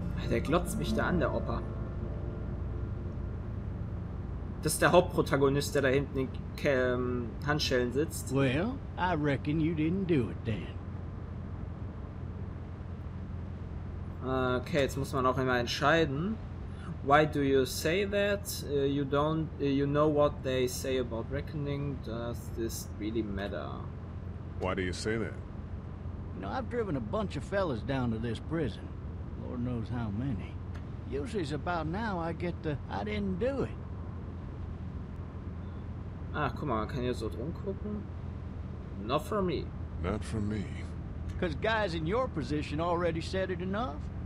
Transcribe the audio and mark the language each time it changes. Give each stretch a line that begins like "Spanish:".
German: Der glotzt mich da an, der Opa. Das ist der Hauptprotagonist, der da hinten in Handschellen sitzt.
English: Well, I reckon you didn't do it then.
German: Okay, jetzt muss man auch immer entscheiden.
English: Why do you say that? You know what they say about reckoning? Does this really matter? Why do you say that? You know, I've driven a bunch of fellas down to this prison. Lord knows how many. Usually it's about now I get the I didn't do it.
German: Ah, guck mal, man kann hier so drum gucken.
English: Not for me. Not for me. Cause guys in your position already said it enough.